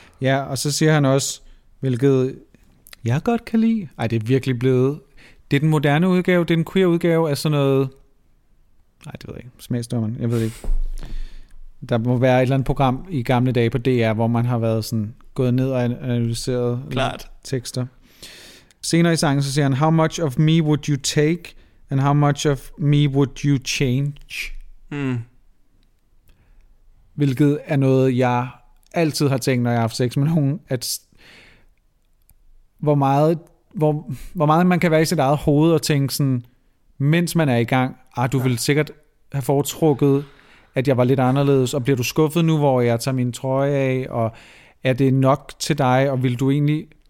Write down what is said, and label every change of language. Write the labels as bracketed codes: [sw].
[da] Ja, og så siger han også, hvilket jeg godt kan lide. Ej, det er virkelig blevet... Det er den moderne udgave, det er den queer udgave af sådan noget... Ej, det ved jeg ikke. Smagsdommeren, jeg ved ikke. Der må være et eller andet program i gamle dage på DR, hvor man har været sådan gået ned og analyseret tekster. Senere i sangen så siger han, [en] how much of me would you take, and how much of me would you change? [da] Hvilket er noget, jeg altid har tænkt, når jeg har haft sex med nogen, at hvor meget man kan være i sit eget hoved og tænke sådan, mens man er i gang, du vil sikkert have foretrukket, at jeg var lidt anderledes, og bliver du skuffet nu, hvor jeg tager min trøje af, og er det nok til dig, og vil du egentlig,